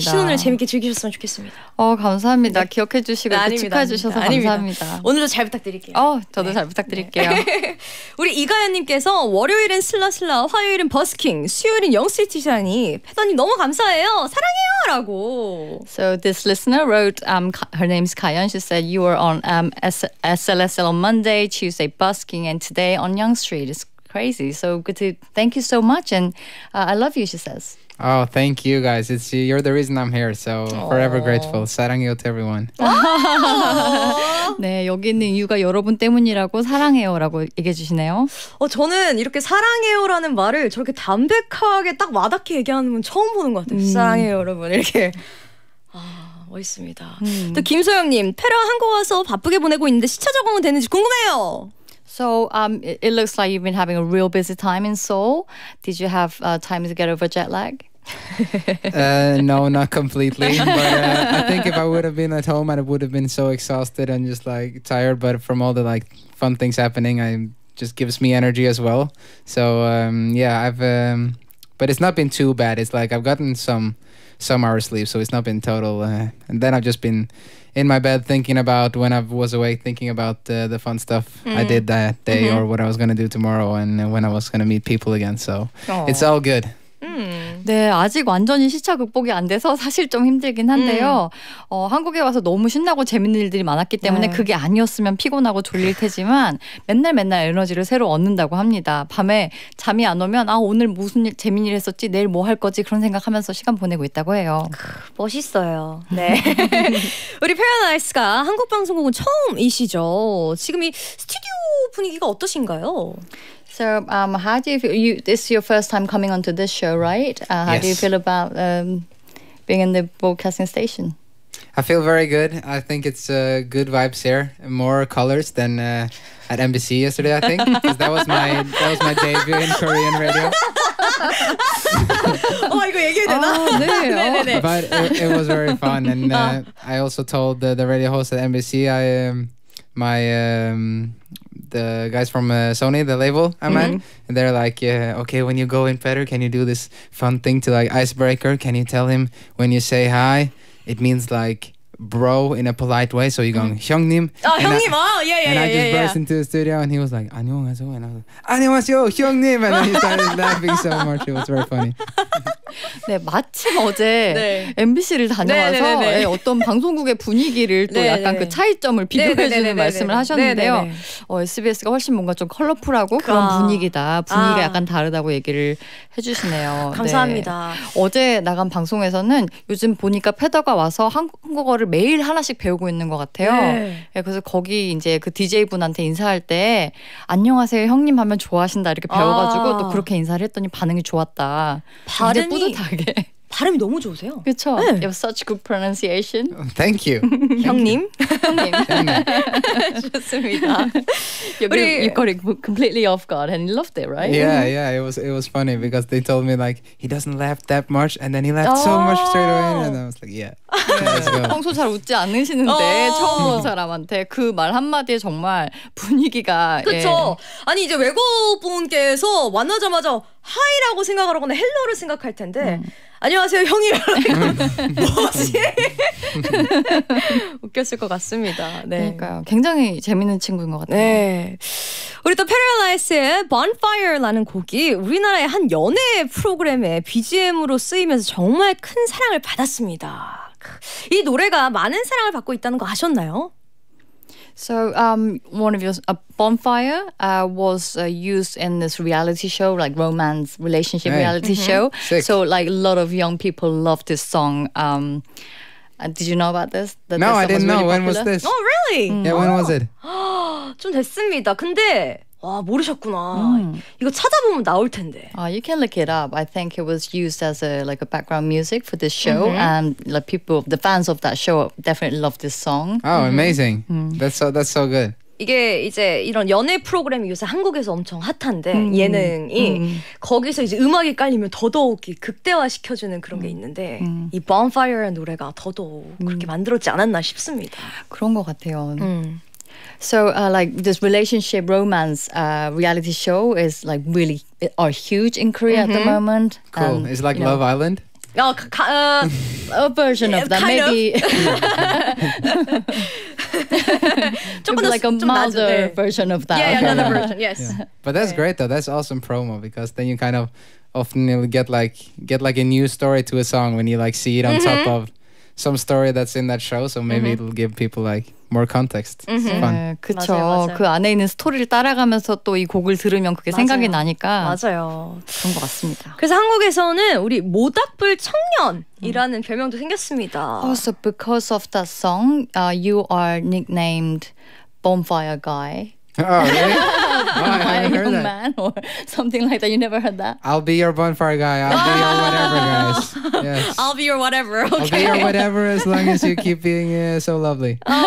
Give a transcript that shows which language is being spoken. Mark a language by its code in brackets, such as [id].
[ko] 신혼을 재밌게 즐기셨으면 좋겠습니다. 감사합니다. 네. 기억해 주시고 네, 아닙니다, 축하해 주셔서 아닙니다. 감사합니다. 아닙니다. 오늘도 잘 부탁드릴게요. 저도 네. 잘 부탁드릴게요. 네. 우리 이가연 님께서 월요일은 슬라슬라, 화요일은 버스킹, 수요일은 영스트리트시라니 패더님 너무 감사해요. 사랑해요라고. [en] So this listener wrote her name's Kayan. She said you were on SLSL on Monday, Tuesday busking, and today on Young Street. It's crazy. So good to thank you so much, and I love you. She says. Oh, thank you guys. It's you're the reason I'm here. So forever grateful. [ko] 사랑해요 [en] to everyone. [ko] 네 여기 있는 이유가 여러분 때문이라고 사랑해요라고 얘기해 주시네요. 저는 이렇게 사랑해요라는 말을 저렇게 담백하게 딱 와닿게 얘기하는 분 처음 보는 것 같아요. 사랑해요 여러분 이렇게. 멋있습니다. 또 김소영님, 페러 한국 와서 바쁘게 보내고 있는데 시차 적응은 되는지 궁금해요. [en] So it looks like you've been having a real busy time in Seoul. Did you have time to get over jet lag? No, not completely. But I think if I would have been at home, I would have been so exhausted and just like tired. But from all the like fun things happening, it just gives me energy as well. So yeah, I've. But it's not been too bad. It's like I've gotten some hours sleep, so it's not been total. And then I've just been in my bed thinking about when I was awake, thinking about the fun stuff I did that day or what I was going to do tomorrow and when I was going to meet people again. So it's all good. [ko] 네, 아직 완전히 시차 극복이 안 돼서 사실 좀 힘들긴 한데요. 한국에 와서 너무 신나고 재밌는 일들이 많았기 때문에 네. 그게 아니었으면 피곤하고 졸릴 테지만 맨날 에너지를 새로 얻는다고 합니다. 밤에 잠이 안 오면 오늘 무슨 일, 재밌는 일 했었지? 내일 뭐 할 거지? 그런 생각하면서 시간 보내고 있다고 해요. 멋있어요. 네. 우리 패러다이스가 한국 방송국은 처음이시죠? 지금 이 스튜디오 분위기가 어떠신가요? [en] So how do you feel? You, this is your first time coming onto this show, right? How yes. do you feel about being in the broadcasting station? I feel very good. I think it's good vibes here. More colors than at NBC yesterday, I think. Because that was my debut in Korean radio. [ko] 이거 얘기해야 되나? 네. 네네네. [en] But it was very fun. And I also told the radio host at NBC, the guys from Sony, the label I'm at, and they're like, yeah, okay, when you go in, Peder, can you do this fun thing to like icebreaker? Can you tell him when you say hi, it means like bro in a polite way? So you're going, [ko] 형님. Oh, 형님. [en] I just burst into the studio and he was like, [ko] 안녕하세요. [en] And I was like, [ko] 안녕하세요, 형님. [en] And then he started laughing so much. It was very funny. [ko] 네, 마침 어제 네. MBC를 다녀와서 네, 어떤 방송국의 분위기를 또 네네. 약간 그 차이점을 비교해주는 네네. 말씀을 네네. 하셨는데요. SBS가 훨씬 뭔가 좀 컬러풀하고 그런 분위기다. 분위기가 약간 다르다고 얘기를 해주시네요. 감사합니다. 네. 어제 나간 방송에서는 요즘 보니까 패더가 와서 한국어를 매일 하나씩 배우고 있는 것 같아요. 네. 네, 그래서 거기 이제 그 DJ분한테 인사할 때 안녕하세요 형님 하면 좋아하신다 이렇게 배워가지고 또 그렇게 인사를 했더니 반응이 좋았다. 발음이 뿌듯하게. 발음이 너무 좋으세요. 그렇죠. 네. [en] You have such good pronunciation. Thank you. [ko] 형님. 형님. 좋습니다. [en] You got it completely off guard and you loved it, right? Yeah. It was funny because they told me like he doesn't laugh that much and then he laughed so much straight away and I was like, yeah. [ko] 평소 잘 웃지 않으시는데 처음 온 사람한테 그 말 한마디에 정말 분위기가. 그렇죠. 예. 아니 이제 외국 분께서 만나자마자 하이라고 생각하거나 헬로를 생각할 텐데 안녕하세요 형님 뭐지? 웃겼을 것 같습니다. 네. 그러니까요. 굉장히 재밌는 친구인 것 같아요. 네. 우리 또 페더 엘리아스의 Bonfire라는 곡이 우리나라의 한 연애 프로그램의 BGM으로 쓰이면서 정말 큰 사랑을 받았습니다. 이 노래가 많은 사랑을 받고 있다는 거 아셨나요? [en] So one of your bonfire was used in this reality show, like romance relationship reality show. Sick. So like a lot of young people love this song. Did you know about this? No, I didn't know. When was this? Oh, really? Yeah, when was it? [ko] 좀 됐습니다. 근데 와 모르셨구나. 이거 찾아보면 나올 텐데. [en] You can look it up. I think it was used as a like a background music for this show, and like people, the fans of that show definitely love this song. Oh, amazing. That's so good. [ko] 이게 이제 이런 연애 프로그램이 요새 한국에서 엄청 핫한데 예능이 거기서 이제 음악이 깔리면 더더욱이 극대화시켜주는 그런 게 있는데 이 Bonfire의 노래가 더더욱 그렇게 만들었지 않았나 싶습니다. 그런 것 같아요. [en] So like this relationship romance reality show is like really are huge in Korea at the moment. Cool. And, it's like Love Island? A version of that, maybe. Maybe like a milder version of that. Yeah, another version, yes. Yeah. But that's great though. That's awesome promo because then you kind of often you'll get like a new story to a song when you like see it on top of some story that's in that show. So maybe it'll give people like more context. [ko] Mm-hmm. 네, 그쵸. 맞아요, 맞아요. 그 안에 있는 스토리를 따라가면서 또 이 곡을 들으면 그게 생각이 나니까 맞아요. 그런 것 같습니다. 그래서 한국에서는 우리 모닥불 청년이라는 별명도 생겼습니다. [en] Oh, so because of that song, you are nicknamed Bonfire Guy. Oh, really? Why? I haven't heard that. Man or something like that. You never heard that? I'll be your bonfire guy. I'll be your whatever, guys. Yes. I'll be your whatever. Okay. I'll be your whatever as long as you keep being so lovely.